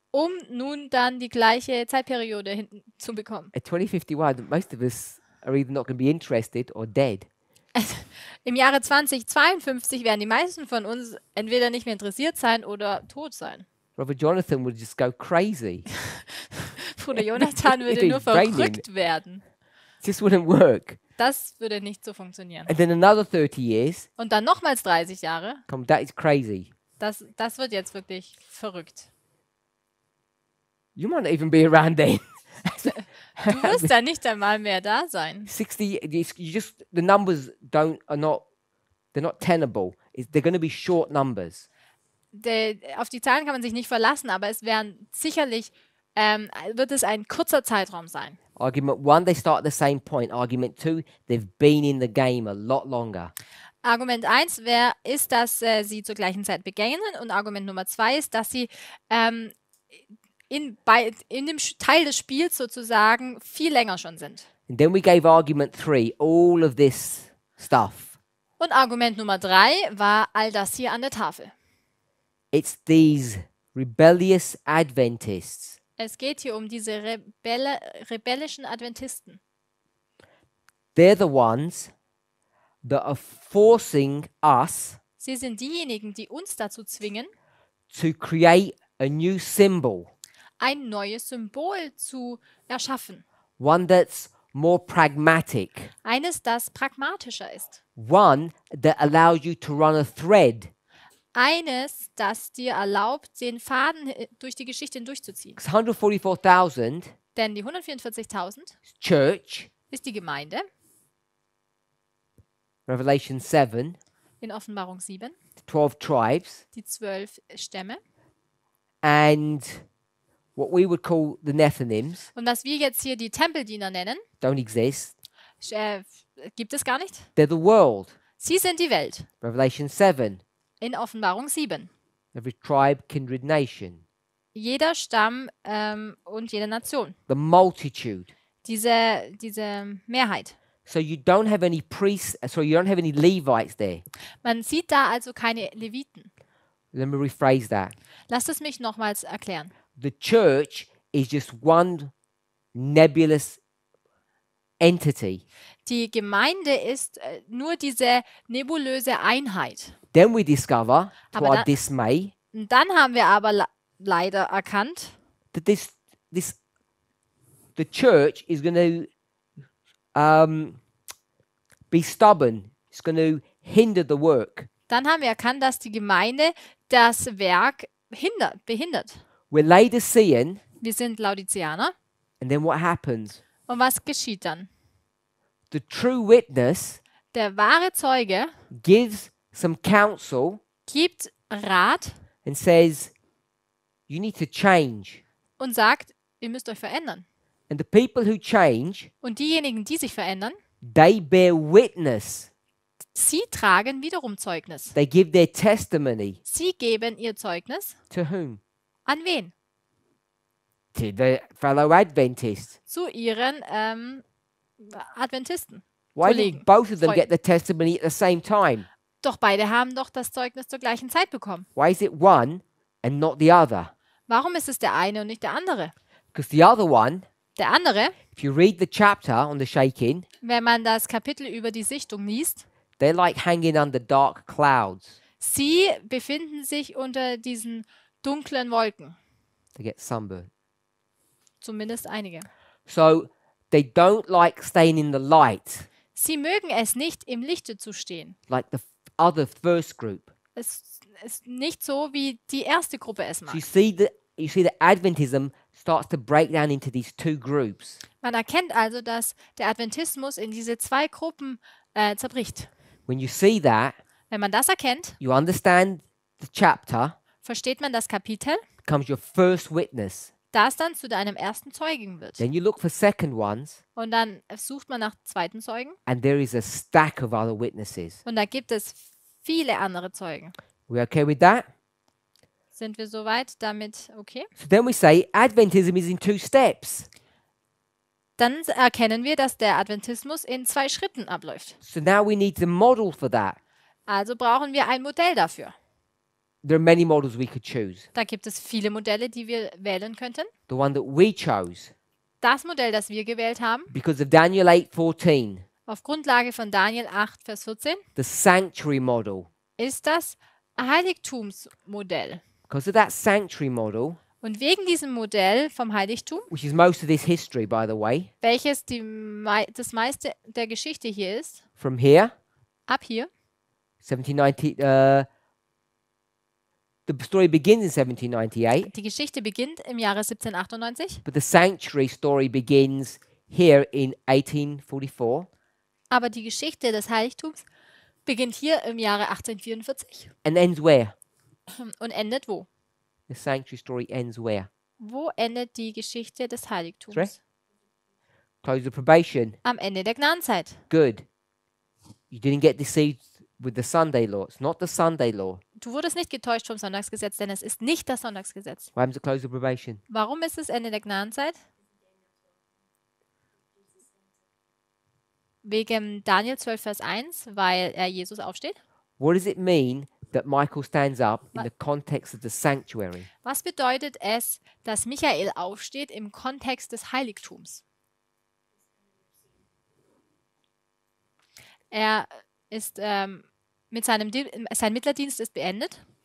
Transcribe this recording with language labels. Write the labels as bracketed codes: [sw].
[de] Um nun dann die gleiche Zeitperiode hinten zu bekommen. [en] At 2051, most of us are either not going to be interested or dead. [de] Im Jahre 2052 werden die meisten von uns entweder nicht mehr interessiert sein oder tot sein. [en] Robert Jonathan would just go crazy. [de] Bruder Jonathan würde nur verrückt werden. [en] This wouldn't work. [de] Das würde nicht so funktionieren. [en] And then another 30 years. [de] Und dann nochmals 30 Jahre. [en] Come, that is crazy. [de] Das wird jetzt wirklich verrückt. [en] You might not even be around then. [de] Du wirst da nicht einmal mehr da sein. [en] 60, the numbers are not tenable. They're going to be short numbers. [de] Auf die Zahlen kann man sich nicht verlassen, aber es werden sicherlich wird es ein kurzer Zeitraum sein. [en] Argument 1, they start at the same point. Argument 2, they've been in the game a lot longer. [de] Argument 1 ist, dass sie zur gleichen Zeit beginnen. Und Argument Nummer 2 ist, dass sie in dem Teil des Spiels sozusagen viel länger schon sind. [en] And then we gave argument 3, all of this stuff. [de] Und Argument Nummer 3 war all das hier an der Tafel. [en] It's these rebellious Adventists. [de] Es geht hier um diese rebellischen Adventisten. [en] They're the ones that are forcing us. [de] Sie sind diejenigen, die uns dazu zwingen, [en] to create a new symbol. [de] Ein neues Symbol zu erschaffen. [en] One that's more pragmatic. [de] Eines, das pragmatischer ist. [en] One that allows you to run a thread. [de] Eines, das dir erlaubt, den Faden durch die Geschichte hindurchzuziehen. [en] 144,000. [de] Denn die 144,000 [en] Church [de] ist die Gemeinde. [en] Revelation 7. [de] In Offenbarung 7. [en] 12 tribes. [de] Die 12 Stämme. [en] And what we would call the Nethinims. [de] Und was wir jetzt hier die Tempeldiener nennen. [en] Don't exist. [de] Gibt es gar nicht. [en] They're the world. [de] Sie sind die Welt. [en] Revelation 7. [de] In Offenbarung 7. [en] Every tribe, kindred, nation. [de] Jeder Stamm und jede Nation. [en] The multitude. [de] Diese Mehrheit. [en] So you don't have any priests, sorry, you don't have any Levites there. [de] Man sieht da also keine Leviten. [en] Let me rephrase that. [de] Lass es mich nochmals erklären. [en] The church is just one nebulous entity. [de] Die Gemeinde ist nur diese nebulöse Einheit. [en] Then we discover, to our dismay, [de] dann haben wir aber leider erkannt, [en] that this the church is going to be stubborn. It's going to hinder the work. [de] Dann haben wir erkannt, dass die Gemeinde das Werk behindert. [en] We're Laodicean. [de] Wir sind Laodiceaner. [en] And then what happens? [de] Und was geschieht dann? [en] The true witness, [de] der wahre Zeuge, [en] gives some counsel, [de] gibt Rat, [en] and says, you need to change. [de] Und sagt, ihr müsst euch verändern. [en] And the people who change, [de] und diejenigen, die sich verändern, [en] they bear witness. [de] Sie tragen wiederum Zeugnis. [en] They give their testimony. [de] Sie geben ihr Zeugnis. [en] To whom? [de] An wen? [en] To the fellow Adventists. [de] Zu ihren Adventisten. [en] Why didn't both of them get the testimony at the same time? [de] Doch beide haben doch das Zeugnis zur gleichen Zeit bekommen. [en] Why is it one and not the other? [de] Warum ist es der eine und nicht der andere? [en] Because the other one. [de] Der andere. [en] If you read the chapter on the shaking. [de] Wenn man das Kapitel über die Sichtung liest. [en] They're like hanging under dark clouds. [de] Sie befinden sich unter diesen dunklen Wolken. [en] They get sunburned. [de] Zumindest einige. [en] So they don't like staying in the light. [de] Sie mögen es nicht, im Lichte zu stehen. [en] Like the other first group. [de] Es ist nicht so, wie die erste Gruppe es macht. [en] You see the Adventism starts to break down into these two groups. [de] Man erkennt also, dass der Adventismus in diese zwei Gruppen zerbricht. [en] When you see that, [de] wenn man das erkennt, [en] you understand the chapter, [de] versteht man das Kapitel, [en] becomes your first witness. [de] Das dann zu deinem ersten Zeugen wird. [en] Then you look for second ones, [de] und dann sucht man nach zweiten Zeugen. [en] And there is a stack of other witnesses. [de] Und da gibt es viele andere Zeugen. [en] We okay with that? [de] Sind wir soweit damit okay? [en] So then we say, Adventism is in two steps. [de] Dann erkennen wir, dass der Adventismus in zwei Schritten abläuft. [en] So now we need the model for that. [de] Also brauchen wir ein Modell dafür. [en] There are many models we could choose. [de] Da gibt es viele Modelle, die wir wählen könnten. [en] The one that we chose. [de] Das Modell, das wir gewählt haben. [en] Because of Daniel 8:14. [de] Auf Grundlage von Daniel 8, Vers 14. [en] The sanctuary model. [de] Ist das Heiligtumsmodell. [en] Because of that sanctuary model. [de] Und wegen diesem Modell vom Heiligtum. [en] Which is most of this history, by the way. [de] Welches das meiste der Geschichte hier ist. [en] From here. [de] Ab hier. [en] 1790, the story begins in 1798. [de] Die Geschichte beginnt im Jahre 1798. [en] But the sanctuary story begins here in 1844. [de] Aber die Geschichte des Heiligtums beginnt hier im Jahre 1844. [en] And ends where? [de] Und endet wo? [en] The sanctuary story ends where? [de] Wo endet die Geschichte des Heiligtums? [en] Three. Close of probation. [de] Am Ende der Gnadenzeit. [en] Good. You didn't get deceived with the Sunday law. It's not the Sunday law. [de] Du wurdest nicht getäuscht vom Sonntagsgesetz, denn es ist nicht das Sonntagsgesetz. [en] Why is it close of probation? [de] Warum ist es Ende der Gnadenzeit? Wegen Daniel 12, Vers 1, weil er Jesus aufsteht. [en] What does it mean that Michael stands up in the context of the sanctuary? [de] Was bedeutet es, dass Michael aufsteht im Kontext des Heiligtums? Er ist mit seinem sein Mittlerdienst ist beendet.